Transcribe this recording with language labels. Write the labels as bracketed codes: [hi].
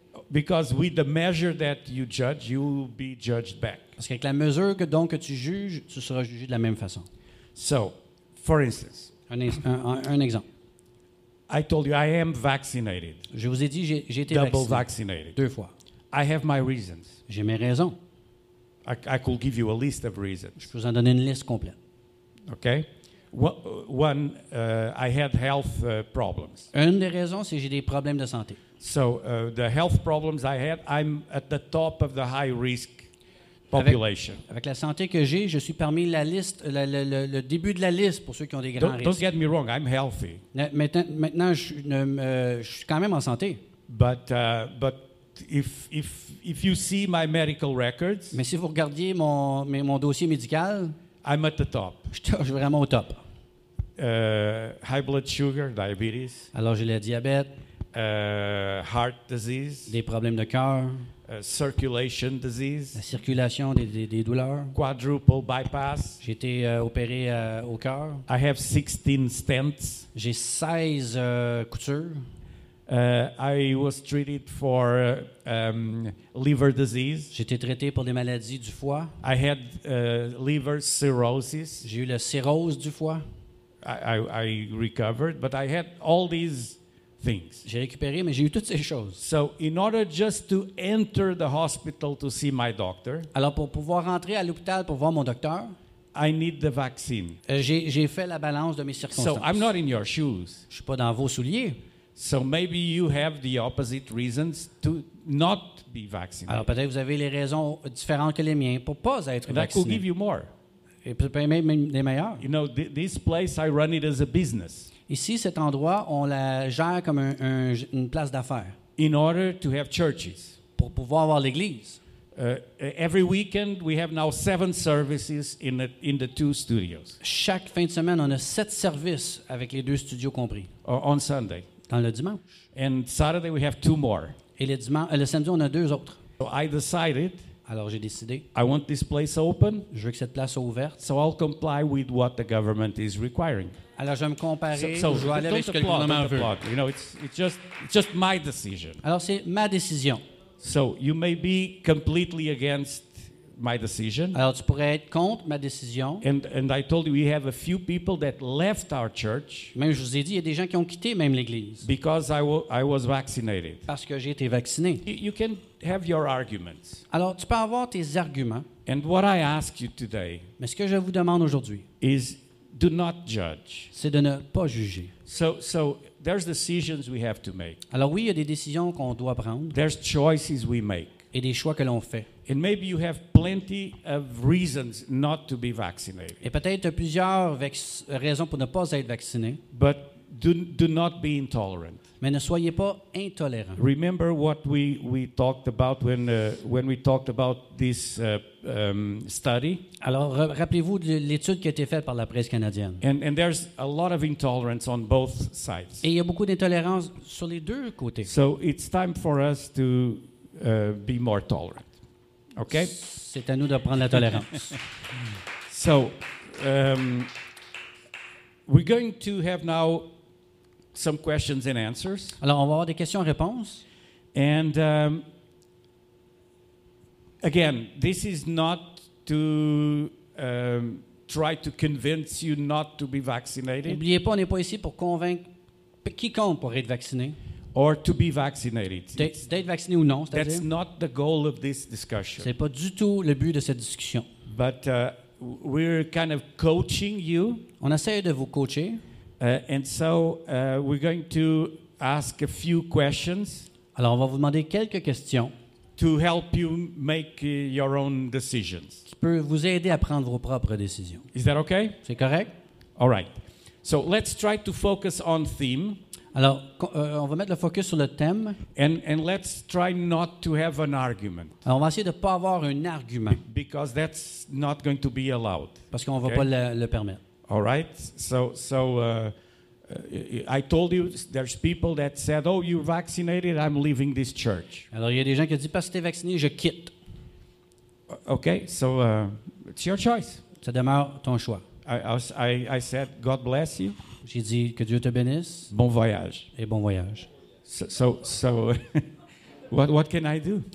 [en] Because with the measure that you judge, you will be judged back. [fr] Parce qu'avec la mesure que donc tu juges, tu seras jugé de la même façon. [en] So, for instance, [fr] un exemple. [en] I told you I am vaccinated. [fr] Je vous ai dit j'ai été [en] double vaccinated. [fr] Deux fois. [en] I have my reasons. [fr] J'ai mes raisons. [en] I could give you a list of reasons. [fr] Je peux vous en donner une liste complète. [en] Okay. One, I had health problems. [fr] Une des raisons, c'est que j'ai des problèmes de santé. [en] So, the health problems I had, I'm at the top of the high-risk population. [fr] Avec la santé que j'ai, je suis parmi la liste, le début de la liste pour ceux qui ont des grands risques. [en] Don't get me wrong, I'm healthy. [fr] Maintenant, je suis quand même en santé. [en] But if you see my medical records... [fr] Mais si vous regardiez mon dossier médical... [en] I'm at the top. [fr] Je suis vraiment au top. [en] High blood sugar, diabetes. [fr] Alors j'ai le diabète. [en] Heart disease. [fr] Des problèmes de cœur. [en] Circulation disease. [fr] La circulation des douleurs. [en] Quadruple bypass. [fr] J'ai été opéré au cœur. [en] I have 16 stents. [fr] J'ai 16 coutures. [en] I was treated for liver disease. [fr] J'étais traité pour des maladies du foie. [en] I had liver cirrhosis. [fr] J'ai eu la cirrhose du foie. [en] I recovered, but I had all these things. [fr] J'ai récupéré, mais j'ai eu toutes ces choses. [en] So, in order just to enter the hospital to see my doctor. [fr] Alors, pour pouvoir rentrer à l'hôpital pour voir mon docteur. [en] I need the vaccine. [fr] J'ai fait la balance de mes circonstances. [en] So, I'm not in your shoes. [fr] Je suis pas dans vos souliers. [en] So maybe you have the opposite reasons to not be vaccinated. [fr] Alors peut-être vous avez les raisons différentes que les miens pour pas être vacciné. [en] That could give you more. [fr] Et peut-être même des meilleurs. [en] You know, this place I run it as a business. [fr] Ici, cet endroit, on la gère comme une place d'affaires. [en] In order to have churches. [fr] Pour pouvoir avoir l'église. [en] Every weekend we have now 7 services in the 2 studios. [fr] Chaque fin de semaine, on a 7 services avec les 2 studios compris. [en] On Sunday. [fr] Dans le dimanche. [en] And Saturday we have 2 more. [fr] Et le samedi on a 2 autres. [en] So I decided. [fr] Alors j'ai décidé. [en] I want this place open. [fr] Je veux que cette place soit ouverte. [en] So I'll comply with what the government is requiring. [fr] Alors je vais me comparer. Je vais aller avec ce que le gouvernement veut. [en] You know, it's just my decision. [fr] Alors c'est ma décision. [en] So you may be completely against my decision. [fr] Alors tu pourrais être contre ma décision. [en] And I told you we have a few people that left our church. [fr] Même je vous ai dit il y a des gens qui ont quitté même l'église. [en] Because I was vaccinated. [fr] Parce que j'ai été vacciné. [en] You can have your arguments. [fr] Alors tu peux avoir tes arguments. [en] And what I ask you today. [fr] Mais ce que je vous demande aujourd'hui. [en] Is do not judge. [fr] C'est de ne pas juger. [en] So there's decisions we have to make. [fr] Alors oui, il y a des décisions qu'on doit prendre. [en] There's choices we make. [fr] Et des choix que l'on fait. [en] And maybe you have plenty of reasons not to be vaccinated. [fr] Et peut-être tu as plusieurs raisons pour ne pas être vacciné. [en] But do not be intolerant. [fr] Mais ne soyez pas intolérant. [en] Remember what we talked about when we talked about this study. [fr] Alors rappelez-vous de l'étude qui a été faite par la presse canadienne. [en] And there's a lot of intolerance on both sides. [fr] Et il y a beaucoup d'intolérance sur les deux côtés. [en] So it's time for us to be more tolerant. Okay? [fr] C'est à nous de prendre la tolérance. [en] So we're going to have now some questions and answers. [fr] Alors on va avoir des questions-réponses. [en] And again, this is not to try to convince you not to be vaccinated. [fr] N'oubliez pas, on n'est pas ici pour convaincre quiconque pour être vacciné. [en] Or to be vaccinated. [fr] D'être vacciné ou non, c'est-à-dire. [en] That's not the goal of this discussion. [fr] C'est pas du tout le but de cette discussion. [en] But we're kind of coaching you. [fr] On essaie de vous coacher. [en] And so we're going to ask a few questions. [fr] Alors on va vous demander quelques questions. [en] To help you make your own decisions. [fr] Qui peut vous aider à prendre vos propres décisions. [en] Is that okay? [fr] C'est correct? [en] All right. So let's try to focus on theme. [fr] Alors, on va mettre le focus sur le thème. [en] And let's try not to have an argument. [fr] Alors, on va essayer de ne pas avoir un argument. [en] Because that's not going to be allowed. [fr] Parce qu'on ne va pas le permettre. [en] All right. So I told you there's people that said, oh, you're vaccinated, I'm leaving this church. [fr] Alors, il y a des gens qui ont dit, parce que tu es vacciné, je quitte. [en] Okay. So it's your choice. [fr] Ça demeure ton choix. [en] I said, God bless you. [fr] J'ai dit que Dieu te bénisse. Bon voyage. Et bon voyage. [en] So what can I do?